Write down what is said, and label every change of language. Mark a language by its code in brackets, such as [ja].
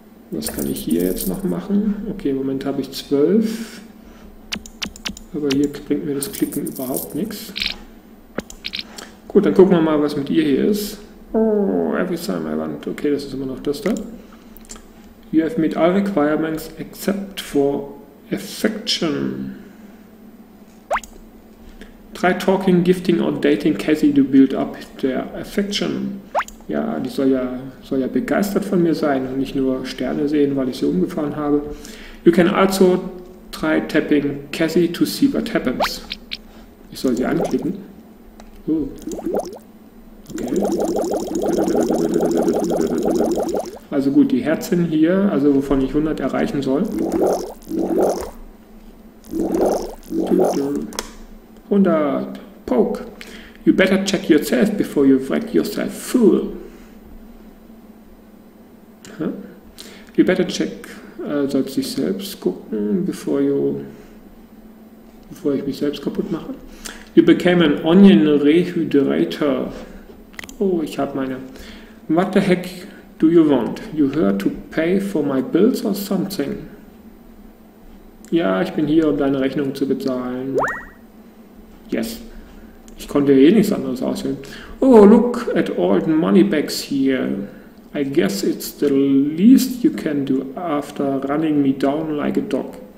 [de] Was kann ich hier jetzt noch machen? Okay, im Moment habe ich 12. Aber hier bringt mir das Klicken überhaupt nichts. Gut, dann gucken wir mal, was mit ihr hier ist. [en] Oh, every time I want. [de] Okay, das ist immer noch das da. [en] You have met all requirements except for affection. Try talking, gifting or dating Cassie to build up their affection. [de] Ja, die soll ja begeistert von mir sein und nicht nur Sterne sehen, weil ich sie umgefahren habe. [en] You can also try tapping Cassie to see what happens. [de] Ich soll sie anklicken. Okay. Also gut, die Herzen hier, also wovon ich 100 erreichen soll. 100. Poke. [en] You better check yourself before you wreck yourself full. [de] Huh? [en] You better check, [de] sollst dich selbst gucken, bevor ich mich selbst kaputt mache. [en] You became an onion rehydrator. Oh, [de] ich habe meine. [en] What the heck do you want? You here to pay for my bills or something? [de] Ja, ich bin hier, um deine Rechnung zu bezahlen. Yes. Ich konnte eh nichts anderes auswählen. [en] Oh, look at all the money bags here. I guess it's the least you can do after running me down like a dog.